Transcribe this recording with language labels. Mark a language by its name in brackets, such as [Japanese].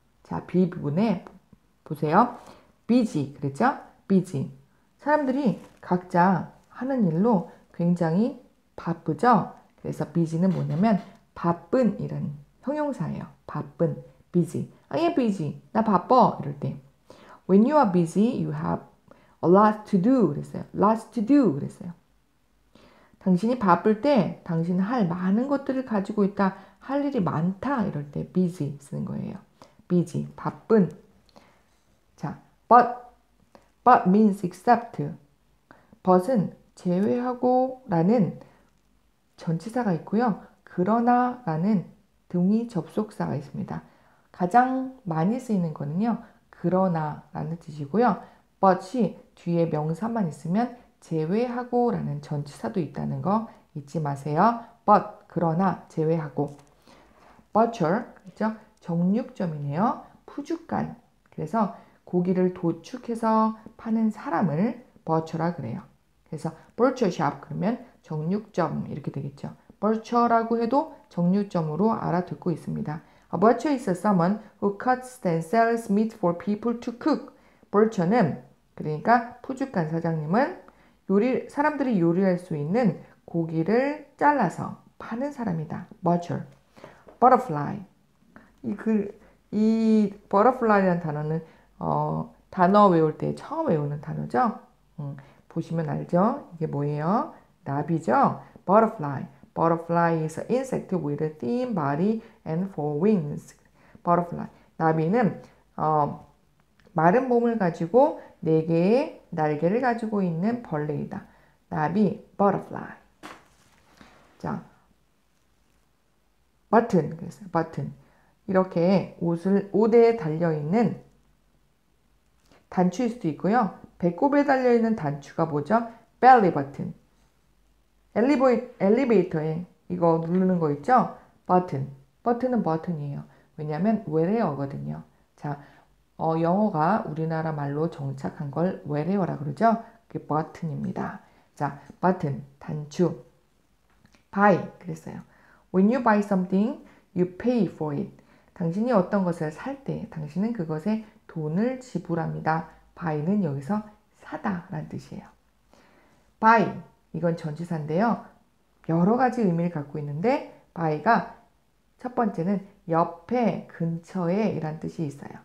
[Korean] 자, B 부분에 보세요. 비지, 그랬죠? 비지. 사람들이 각자 하는 일로 굉장히 바쁘죠? 그래서 busy는 뭐냐면 바쁜 이런 형용사예요. 바쁜, busy. [English] I am busy. [Korean] 나 바빠. 이럴 때. [English] When you are busy, you have a lot to do. [Korean] 그랬어요. [English] Lots to do. 그랬어요. [Korean] 당신이 바쁠 때 당신은 할 많은 것들을 가지고 있다. 할 일이 많다. 이럴 때 busy 쓰는 거예요. [English] busy, [Korean] 바쁜. [English] 자, but means except. [Korean] but은 제외하고라는 전치사가 있고요. 그러나라는 등위 접속사가 있습니다. 가장 많이 쓰이는 거는요. 그러나라는 뜻이고요. but이 뒤에 명사만 있으면 제외하고라는 전치사도 있다는 거 잊지 마세요. but 그러나 제외하고. butcher 그렇죠? 정육점이네요. 푸죽간. 그래서 고기를 도축해서 파는 사람을 butcher라 그래요. 그래서 butcher shop 그러면 정육점 이렇게 되겠죠. 버처라고 해도 정육점으로 알아듣고 있습니다. [English] A butcher is someone who cuts and sells meat for people to cook. [Korean] 버처는 그러니까 푸죽간 사장님은 사람들이 요리할 수 있는 고기를 잘라서 파는 사람이다. [English] butcher. butterfly. [Korean] 이 butterfly라는 단어는 단어 외울 때 처음 외우는 단어죠. 보시면 알죠? 이게 뭐예요? 나비죠? butterfly. [English] butterfly is an insect with a thin body and four wings. butterfly. [Korean] 나비는 마른 몸을 가지고 네 개의 날개를 가지고 있는 벌레이다. 나비, butterfly. 자, button. 그래서 button. 이렇게 옷에 달려 있는 단추일 수도 있고요. 배꼽에 달려 있는 단추가 뭐죠? [English] belly button. [Korean] 엘리베이터에 이거 누르는 거 있죠? 버튼. 버튼은 버튼이에요. 왜냐면 외래어거든요. 자, 영어가 우리나라 말로 정착한 걸 외래어라 그러죠? 그게 버튼입니다. 자, 버튼, 단추. buy 그랬어요. [English] When you buy something, you pay for it. [Korean] 당신이 어떤 것을 살때 당신은 그것에 돈을 지불합니다. buy는 여기서 사다라는 뜻이에요. buy 이건 전치사인데요. 여러 가지 의미를 갖고 있는데, by가 첫 번째는 옆에, 근처에 이란 뜻이 있어요.